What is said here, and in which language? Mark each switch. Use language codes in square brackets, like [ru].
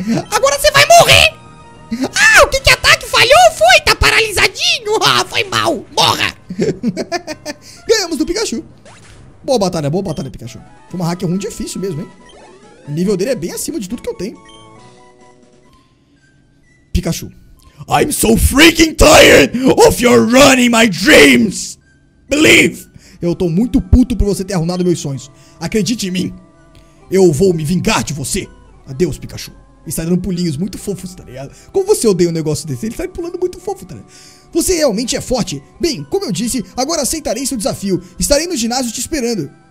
[pt] Agora você vai morrer! Ah, o que que ataque falhou? Foi, tá paralisadinho. Ah, foi mal, morra. Ganhamos do Pikachu. Boa batalha, Pikachu. Foi uma hack ruim difícil mesmo, hein. O nível dele é bem acima de tudo que eu tenho. [en] Pikachu, I'm so freaking tired of your running my dreams. Believe. [pt] Eu tô muito puto por você ter arruinado meus sonhos. Acredite em mim. Eu vou me vingar de você. Adeus, Pikachu. E sai dando pulinhos muito fofos, tá ligado? Como você odeia um negócio desse, ele sai pulando muito fofo, tá ligado? Você realmente é forte? Bem, como eu disse, agora aceitarei seu desafio. Estarei no ginásio te esperando.